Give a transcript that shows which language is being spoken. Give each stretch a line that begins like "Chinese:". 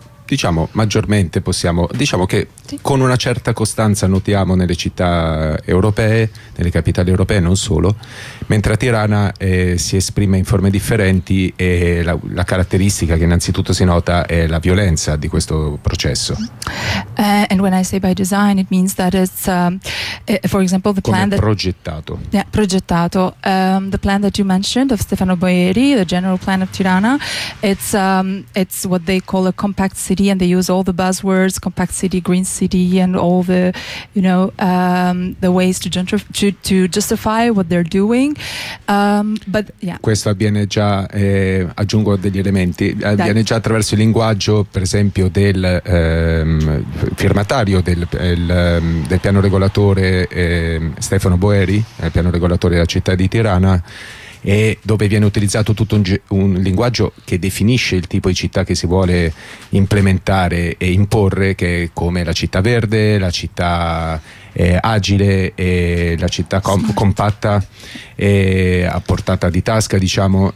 Italian: diciamo maggiormente possiamo, diciamo che con una certa costanza notiamo nelle città europee, nelle capitali europee, non solo, mentre a Tirana si esprime in forme differenti, e la caratteristica che innanzitutto si nota è la violenza di questo processo.
English: And when I say by design, it means that it's for example the plan that
Italian: progettato.
English: Yeah, progettato. The plan that you mentioned of Stefano Boieri, the general plan of Tirana, it's what they call a compact city, and they use all the buzzwords, compact city, green city, and all the, you know, the ways to justify what they're doing. But yeah.
Italian: Questo avviene già, aggiungo degli elementi, avviene già attraverso il linguaggio, per esempio, del firmatario del piano regolatore, Stefano Boieri, il piano regolatore della città di Tirana, e dove viene utilizzato tutto un linguaggio che definisce il tipo di città che si vuole implementare e imporre, che è come la città verde, la città agile, e la città compatta e a portata di tasca, diciamo.